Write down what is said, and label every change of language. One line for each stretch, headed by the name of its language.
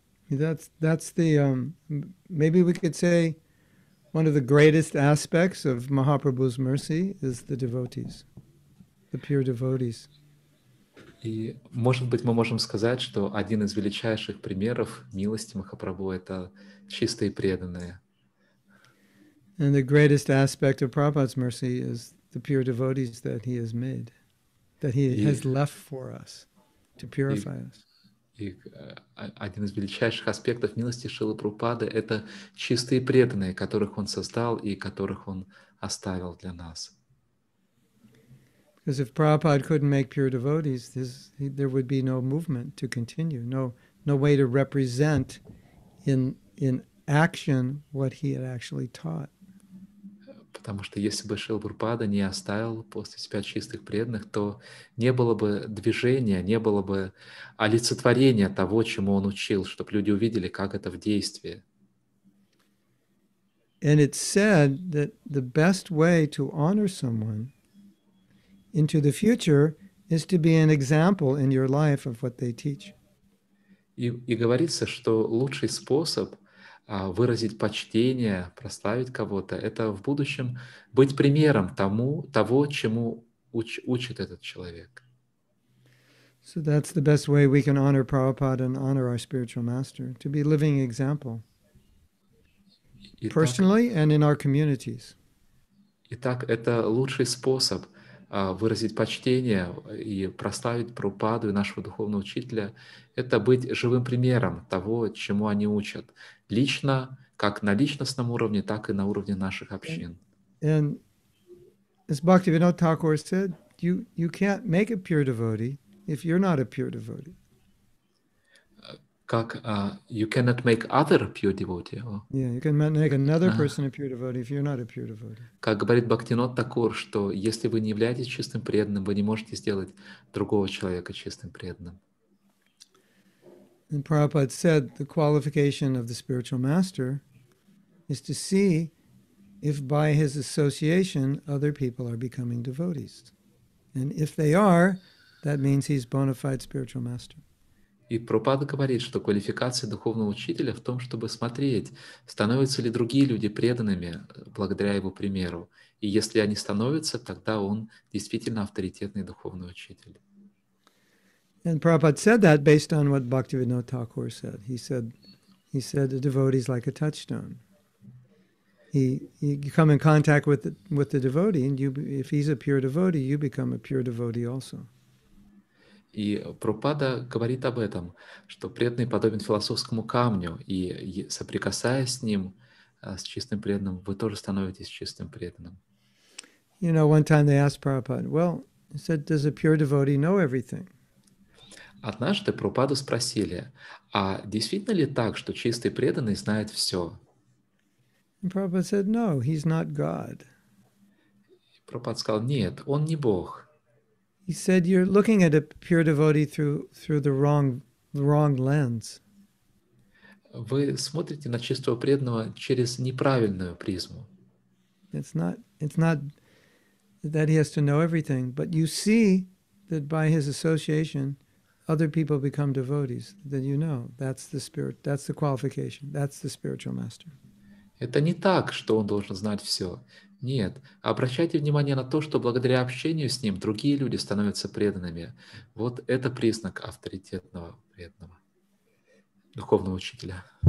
English: That's the maybe we could say one of the greatest aspects of Mahaprabhu's mercy is the devotees, the pure devotees.
Russian: И может быть мы можем сказать, что один из величайших примеров милости Махапрабху это чистые преданные.
English: And the greatest aspect of Prabhupada's mercy is the pure devotees that he has made, that he has left for us to purify us.
Russian: И один из величайших аспектов милости Шрилы Прабхупады — это чистые преданные, которых он создал и которых он оставил для нас.
English: Because if Prabhupada couldn't make pure devotees, there would be no movement to continue, no way to represent in action what he had actually taught.
Russian: Потому что если бы Шрила Прабхупада не оставил после себя чистых преданных, то не было бы движения, не было бы олицетворения того, чему он учил, чтобы люди увидели, как это в действии.
English: And it's said that the best way to honor someone into the future is to be an example in your life of what they teach.
Russian: И говорится, что лучший способ выразить почтение, прославить кого-то, это в будущем быть примером того, чему учит этот человек.
English: So that's the best way we can honor Prabhupada and honor our spiritual master, to be living example. Personally and in our communities.
Russian: Итак, это лучший способ выразить почтение и прославить Прабхупаду и нашего духовного учителя, это быть живым примером того, чему они учат. Лично, как на личностном уровне, так и на уровне наших общин.
English: And as Bhaktivinoda Thakur said, you can't make a pure devotee if you're not a pure devotee.
Russian: Как
English: you cannot make other pure devotee. Oh. Yeah, you can make another person a pure devotee if you're not a pure devotee.
Russian: Как говорит Бхактинода Такур, что если вы не являетесь чистым преданным, вы не можете сделать другого человека чистым преданным.
English: And Prabhupada said the qualification of the spiritual master is to see if by his association other people are becoming devotees. And if they are, That means he's bona fide spiritual master.
Russian: И Прабхупада говорит, что квалификация духовного учителя в том, чтобы смотреть, становятся ли другие люди преданными благодаря его примеру. И если они становятся, тогда он действительно авторитетный духовный учитель.
English: And Prabhupada said that based on what Bhaktivinoda Thakur said. He said the devotee is like a touchstone. You come in contact with the devotee, and you, if he's a pure devotee, you become a pure devotee also.
Russian: И Прабхупада говорит об этом, что преданный подобен философскому камню, и соприкасаясь с ним, с чистым преданным, вы тоже становитесь чистым преданным.
English: You know, one time they asked Prabhupada, well, he said, does a pure devotee know everything?
Russian: Однажды Прабхупаду спросили, а действительно ли так, что чистый преданный знает все?
English: And Prabhupada said, no, he's not God.
Russian: Прабхупада сказал, нет, он не Бог.
English: He said, you're looking at a pure devotee through the wrong lens.
Russian: Вы смотрите на чистого преданного через неправильную призму.
English: It's not that he has to know everything, but you see that by his association, other people become devotees. Then you know that's the spirit. That's the qualification. That's the spiritual master.
Russian: Это не так, что он должен знать все. Нет, обращайте внимание на то, что благодаря общению с ним другие люди становятся преданными. Вот это признак авторитетного преданного, духовного учителя.